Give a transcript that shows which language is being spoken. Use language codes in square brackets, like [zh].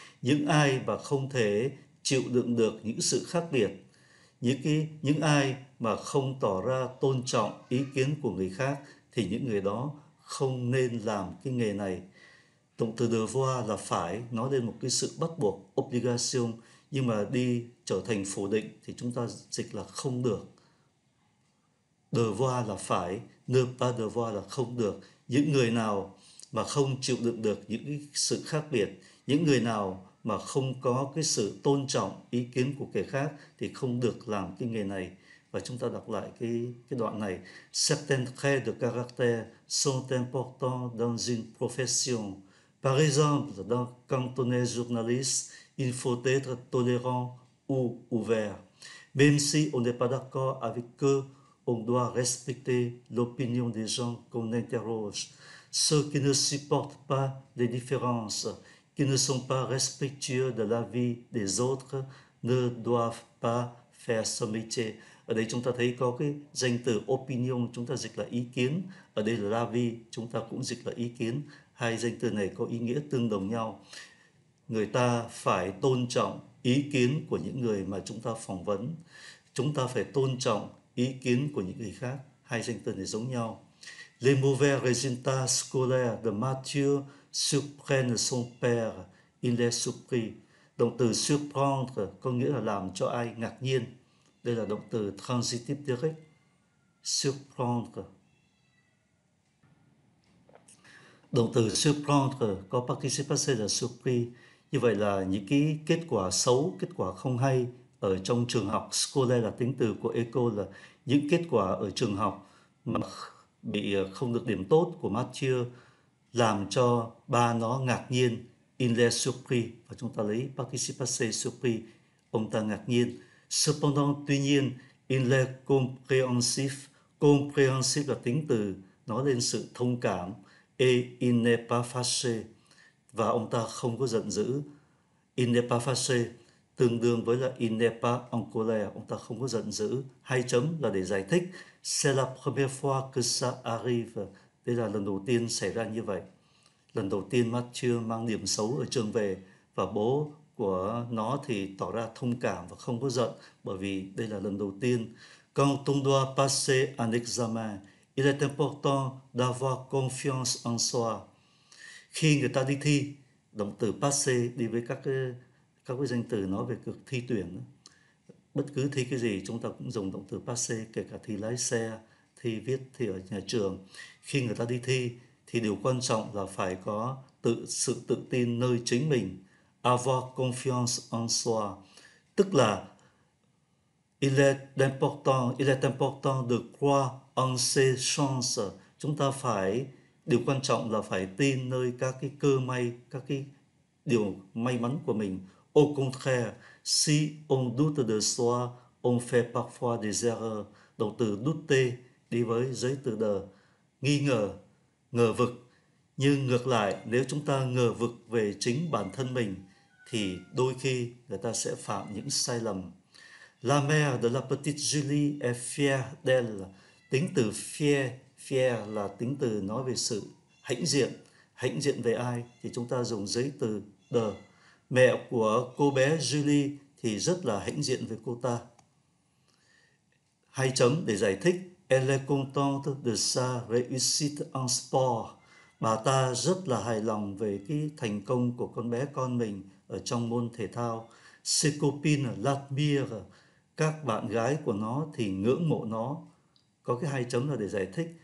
[vi] Những ai mà không thể chịu đựng được những sự khác biệt, những ai mà không tỏ ra tôn trọng ý kiến của người khác, thì những người đó không nên làm cái nghề này. Động từ devoir là phải, nói lên một cái sự bắt buộc, obligation, nhưng mà đi trở thành phủ định thì chúng ta dịch là không được. Devoir là phải, [fr] ne pas devoir [vi] là không được. Những người nào mà không chịu đựng được những cái sự khác biệt, những người nào mà không có cái sự tôn trọng ý kiến của kẻ khác thì không được làm cái nghề này. Và chúng ta đọc lại cái đoạn này. [fr] Certains traits de caractère sont importants dans une profession. Par exemple, quand on est journaliste, il faut être tolérant ou ouvert. Même si on n'est pas d'accord avec eux, on doit respecter l'opinion des gens qu'on interroge. Ceux qui ne supportent pas les différences, qui ne sont pas respectueux de la vie des autres, ne doivent pas faire ce métier. [vi] Ở đây chúng ta thấy có cái danh từ opinion, chúng ta dịch là ý kiến. Ở đây là la vie, chúng ta cũng dịch là ý kiến. Hai danh từ này có ý nghĩa tương đồng nhau. Người ta phải tôn trọng ý kiến của những người mà chúng ta phỏng vấn. Chúng ta phải tôn trọng ý kiến của những người khác. Hai danh từ này giống nhau. [fr] Les mauvais résultats scolaires de Mathieu surprennent son père. Il est surpris. [vi] Động từ surprendre có nghĩa là làm cho ai ngạc nhiên. Đây là động từ transitif direct. Surprendre. Động từ surprendre có participe passé là surpris. Như vậy là những cái kết quả xấu, kết quả không hay ở trong trường học, scolaire là tính từ của école, là những kết quả ở trường học mà bị không được điểm tốt của Mathieu làm cho ba nó ngạc nhiên. [fr] Il est surpris. [vi] Và chúng ta lấy participe passé surpris. Ông ta ngạc nhiên. [fr] Cependant, [vi] tuy nhiên, [fr] il est compréhensif. [vi] Compréhensif là tính từ, nói lên sự thông cảm. [fr] Et il n'est pas fâché. [vi] Và ông ta không có giận dữ. [fr] Il n'est pas fâché [vi] tương đương với là [fr] il n'est pas en colère. [vi] Ông ta không có giận dữ. Hai chấm là để giải thích. [fr] C'est la première fois que ça arrive. [vi] Đây là lần đầu tiên xảy ra như vậy. Lần đầu tiên Mathieu mang điểm xấu ở trường về, và bố của nó thì tỏ ra thông cảm và không có giận, bởi vì đây là lần đầu tiên. [fr] Quand on doit passer un examen, il est important d'avoir confiance en soi. [vi] Khi người ta đi thi, động từ passer đi với các cái danh từ nói về cực thi tuyển. Bất cứ thi cái gì chúng ta cũng dùng động từ passer, kể cả thi lái xe, thi viết, thi ở nhà trường. Khi người ta đi thi thì điều quan trọng là phải có sự tự tin nơi chính mình. [fr] Avoir confiance en soi, [vi] tức là [fr] il est important de croire en ses chances. [vi] Chúng ta phải điều quan trọng là phải tin nơi các cái cơ may, các cái điều may mắn của mình. [fr] Au contraire, si on doute de soi, on fait parfois des erreurs. [vi] Động từ douter đi với giấy từ de, nghi ngờ, ngờ vực. Nhưng ngược lại, nếu chúng ta ngờ vực về chính bản thân mình, thì đôi khi người ta sẽ phạm những sai lầm. [fr] La mère de la petite Julie est fière d'elle. [vi] Tính từ fière, fière là tính từ nói về sự hãnh diện. Hãnh diện về ai? Thì chúng ta dùng giấy từ de. Mẹ của cô bé Julie thì rất là hãnh diện với cô ta. Hai chấm để giải thích. Elle est contente de sa réussite en sport. Bà ta rất là hài lòng về cái thành công của con bé con mình ở trong môn thể thao. [fr] Ses copines l'admirent. [vi] Các bạn gái của nó thì ngưỡng mộ nó. Có cái hai chấm là để giải thích.